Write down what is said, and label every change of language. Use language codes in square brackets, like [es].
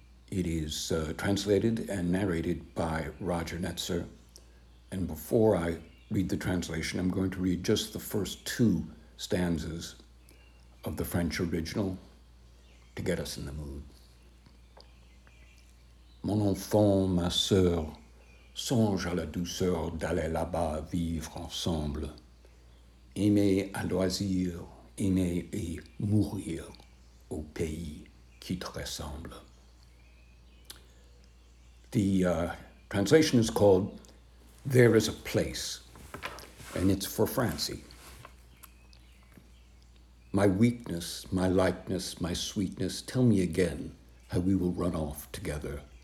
[en] It is translated and narrated by Roger Netzer. And before I read the translation, I'm going to read just the first two stanzas of the French original to get us in the mood. [fr] Mon enfant, ma sœur, songe à la douceur d'aller là-bas vivre ensemble, aimer à loisir, aimer et mourir au pays qui te ressemble. [en] The translation is called There is a Place, and it's for Francie. My weakness, my likeness, my sweetness, tell me again how we will run off together.